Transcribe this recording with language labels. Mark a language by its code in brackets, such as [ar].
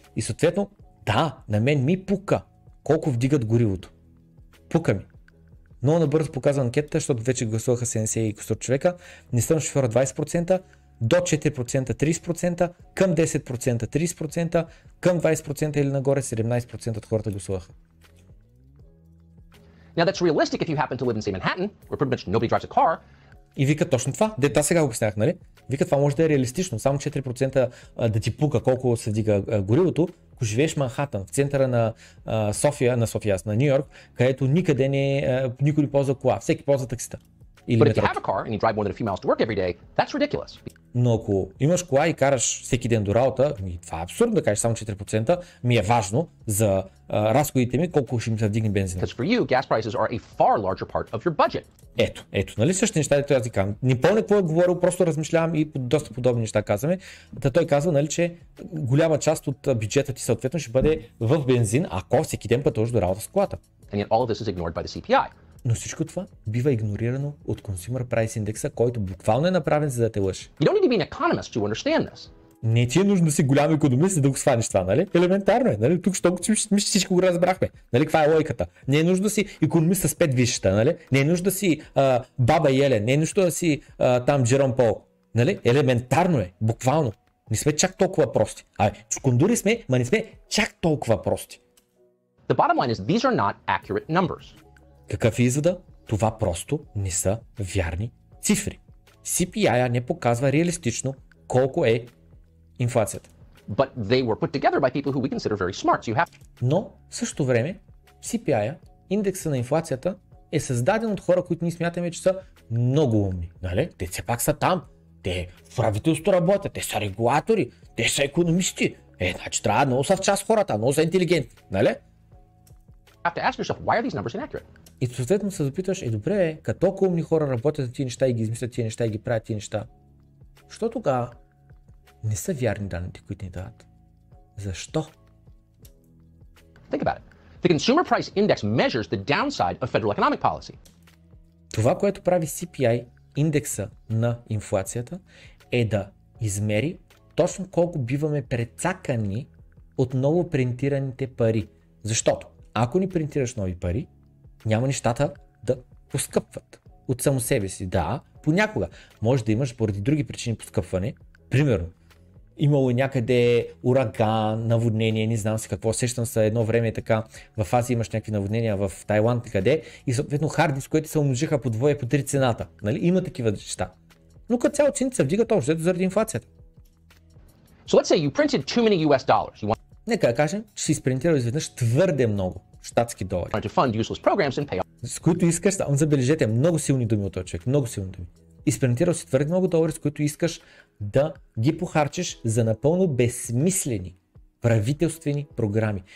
[bg] И съответно, да, на мен ми пука колко вдигат горивото. Пука ми. Много набързо показва анкетата, защото вече гласуваха 70 и кусор човека. Не съм шофьора 20%. До 4% 30%, към 10% 30%, към 20% или нагоре 17% от хората гласуваха. [en] Now that's realistic if you happen to live in say Manhattan, where pretty much nobody drives a car. [bg] И вика точно това. Дета сега го обяснях, нали? Вика това може да е реалистично, само 4% да ти пука колко се вдига горивото, ако живееш в Манхатън, в центъра на София, на Нью Йорк, където никъде не никой не ползва кола, всеки ползва таксита. или метрото. [en] But if you have a car and you drive more than a few miles to work every day, that's ridiculous. [bg] Но ако имаш кола и караш всеки ден до работа, ми това е абсурдно да кажеш само 4%, ми е важно за разходите ми, колко ще ми се вдигне бензина. [en] Because for you, gas prices are a far larger part of your budget. [bg] Ето, нали същите неща, дето аз ти казвам. Не помня какво е говорил, просто размишлявам и доста подобни неща казваме. Та той казва, нали, че голяма част от бюджета ти съответно ще бъде в бензин, ако всеки ден пътуваш до работа с колата. [en] And yet all of this is ignored by the CPI. [bg] Но всичко това бива игнорирано от Consumer Price Index-а, който буквално е направен за да те лъжи. [en] You don't need to be an economist to understand this. [bg] Не ти е нужно да си голям икономист, за да го схванеш това, нали? Елементарно е, нали? Тук толкова всичко го разбрахме. Нали, каква е логиката? Не е нужно да си икономист с 5 висшата, нали? Не е нужно да си баба Еле, не е нужно да си там Джером Пол. Нали? Елементарно е, буквално. Не сме чак толкова прости. Абе, чукундури сме, ма не сме чак толкова прости. [en] The bottom line is, these are not accurate numbers. [bg] Какъв е извода? Това просто не са вярни цифри. CPI-а не показва реалистично колко е инфлацията. [en] But they were put together by people who we consider very smart. So you have... [bg] Но в същото време CPI-а, индекса на инфлацията, е създаден от хора, които ние смятаме, че са много умни. Нали? Те все пак са там. Те в правителството работят, те са регулатори, те са економисти. Е, значи трябва много са в част хората, много са интелигентни. Нали? [en] Have to ask yourself, why are these numbers inaccurate? [bg] И съответно се запитваш, е добре, като толкова умни хора работят за тия неща и ги измислят тия неща и ги правят тия неща, защо тогава не са вярни данните, които ни дават? Защо? [en] Think about it. The Consumer Price Index measures the downside of federal economic policy. [bg] Това, което прави CPI, индекса на инфлацията, е да измери точно колко биваме прецакани от ново принтираните пари. Защото, ако ни принтираш нови пари, няма нещата да поскъпват от само себе си. Да, понякога може да имаш поради други причини поскъпване. Примерно, имало някъде ураган, наводнение, не знам си какво. Сещам се едно време така, в Азия имаш някакви наводнения, в Тайланд къде. И съответно хардис, които се умножиха по двое, по три цената. Нали? Има такива неща. Но като цяло цените се вдигат общо заради инфлацията. [en] So let's say you printed too many US dollars. You want... [bg] Нека да кажем, че си изпринтирал изведнъж твърде много щатски долари. С които искаш, само забележете, много силни думи от този човек, много силни думи. Изпринтирал си твърде много долари, с които искаш да ги похарчиш за напълно безсмислени правителствени програми.